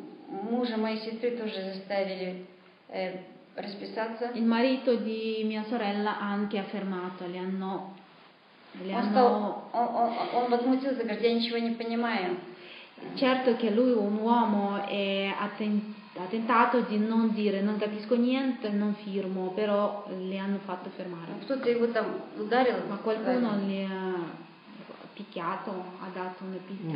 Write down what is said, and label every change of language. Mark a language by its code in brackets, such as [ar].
[ru] Мужа моей сестры тоже заставили расписаться. [it] Il marito di mia sorella anche ha firmato, [ru] он возмутился, говорит, я ничего не понимаю. [it] Certo che lui, un uomo, ha tentato di non dire, non capisco niente, non firmo, però li hanno fatto firmare. [ru] Кто-то его там ударил? [it] Ma qualcuno li ha picchiato, ha dato una picchia.